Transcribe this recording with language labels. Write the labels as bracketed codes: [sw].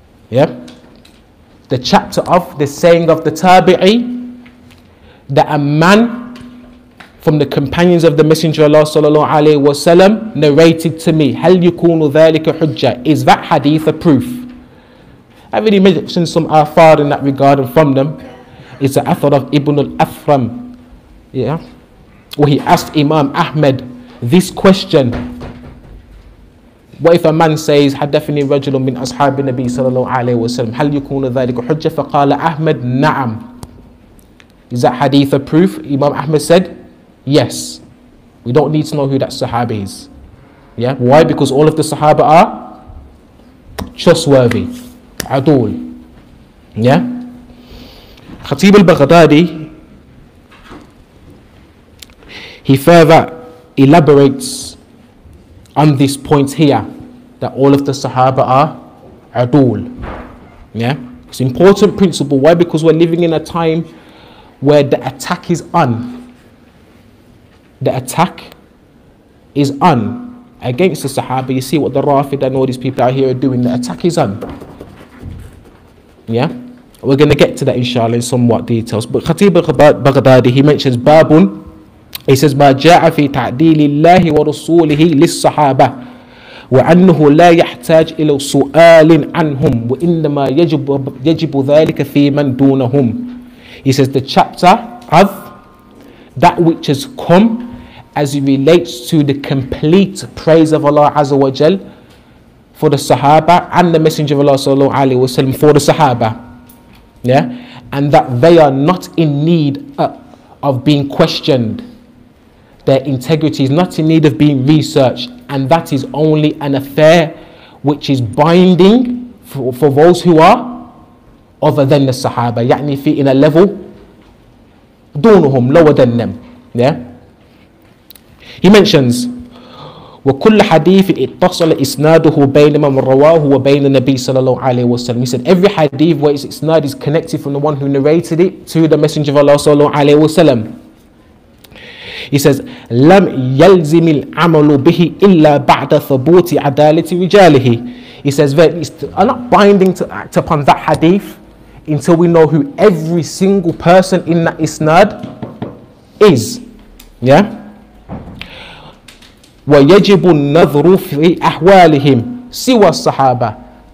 [en] Yeah, the chapter of the saying of the Tabi'i, that a man from the companions of the Messenger of Allah sallallahu alaihi wasallam narrated to me. [ar] Hal yukunu thalika hujja? [en] Is that hadith a proof? I really mentioned some athar in that regard, and from them, it's the athar of Ibn al-Athram. Yeah, where he asked Imam Ahmed this question. What if a man says, [ar] حَدَّفِنِي رَجُلٌ مِّنْ أَصْحَابِ النَّبِيِّ صَلَى اللَّهُ عَلَيْهِ وَسَلَمْ هَلْ يُكُونَ ذَلِكُ حُجَّةً فَقَالَ أَحْمَدْ نَعَمْ. [en] Is that hadith a proof? Imam Ahmed said, yes. We don't need to know who that Sahaba is. Yeah, why? Because all of the Sahaba are trustworthy. Adul. Yeah? Khatib al-Baghdadi, he further elaborates on this point here, that all of the Sahaba are adul. Yeah, it's an important principle. Why? Because we're living in a time where the attack is on. The attack is on against the Sahaba. You see what the Rafid and all these people out here are doing. The attack is on. Yeah, we're going to get to that inshallah in somewhat details. But Khatib al-Baghdadi, he mentions Babun. He says, [ar] ما جاء في تعديل الله ورسوله للصحابة وأنه لا يحتاج إلى سؤال عنهم وإنما يجب ذلك في من دونهم. [en] He says, the chapter of that which has come as it relates to the complete praise of Allah Azza wa Jal for the Sahaba and the Messenger of Allah Sallallahu Alaihi Wasallam for the Sahaba. Yeah? And that they are not in need of being questioned. Their integrity is not in need of being researched, and that is only an affair which is binding for those who are other than the Sahaba. [ar] Ya'ni fi [en] in a level dunuhum, lower than them. Yeah. He mentions [ar] وكل حديث اتصل إسناده بين من رواه وبين النبي صلى الله عليه وسلم. [en] He said every hadith where its isnad is connected from the one who narrated it to the Messenger of Allah [ar] صلى الله عليه وسلم. [en] He says, [ar] لَمْ يَلْزِمِ الْعَمَلُ بِهِ إِلَّا بَعْدَ ثُبُوتِ عَدَالَةِ رِجَالِهِ. [en] He says, it's not binding to act upon that hadith until we know who every single person in that isnad is. Yeah? [ar] وَيَجِبُ النَّظْرُ فِي أَحْوَالِهِمْ سِوَى الصَّحَابَةِ.